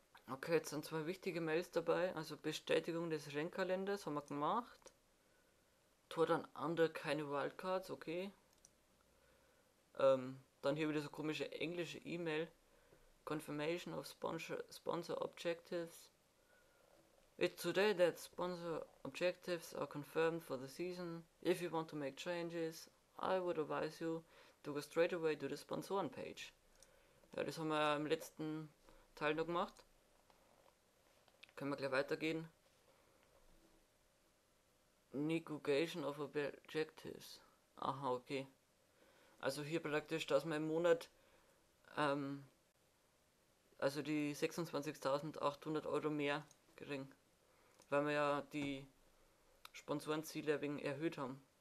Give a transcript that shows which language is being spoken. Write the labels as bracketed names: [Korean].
[German] Okay, jetzt sind zwei wichtige Mails dabei. Also Bestätigung des Rennkalenders haben wir gemacht. Tour d'Auvergne keine Wildcards, okay. Dann hier wieder so komische englische E-Mail. [English] Confirmation of Sponsor Objectives. It's today that Sponsor Objectives are confirmed for the season. If you want to make changes. I would advise you to go straight away to the Sponsoren-Page. [German] Ja, das haben wir im letzten Teil noch gemacht. Können wir gleich weitergehen. [English] Negotiation of Objectives. [German] Aha, okay. Also hier praktisch, dass man im Monat also die 26.800 Euro mehr kriegen. Weil wir ja die Sponsorenziele wegen erhöht haben.